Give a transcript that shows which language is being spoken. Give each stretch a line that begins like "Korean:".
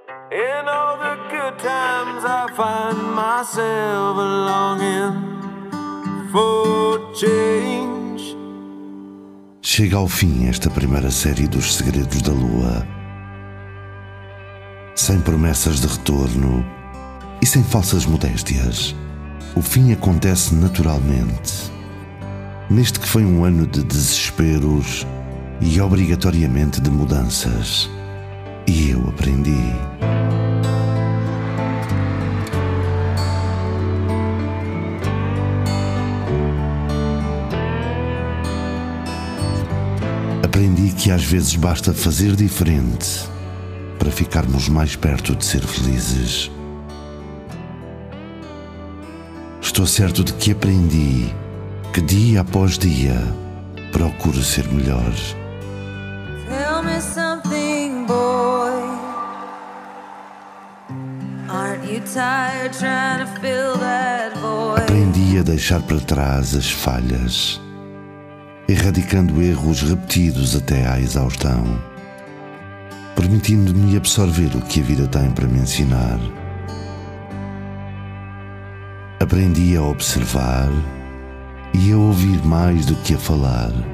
English: In all the good times I find myself longing for change.
Portuguese: Chega ao fim esta primeira série dos Segredos da Lua. Sem promessas de retorno e sem falsas modéstias, o fim acontece naturalmente. Neste que foi um ano de desesperos e obrigatoriamente de mudanças. E eu aprendi. Aprendi que às vezes basta fazer diferente para ficarmos mais perto de ser felizes. Estou certo de que aprendi que dia após dia procuro ser melhor.
English: Tell me something, boy. Aren't you tired trying to fill that void?
Portuguese: Aprendi a deixar para trás as falhas, erradicando erros repetidos até à exaustão, permitindo-me absorver o que a vida tem para me ensinar. Aprendi a observar e a ouvir mais do que a falar.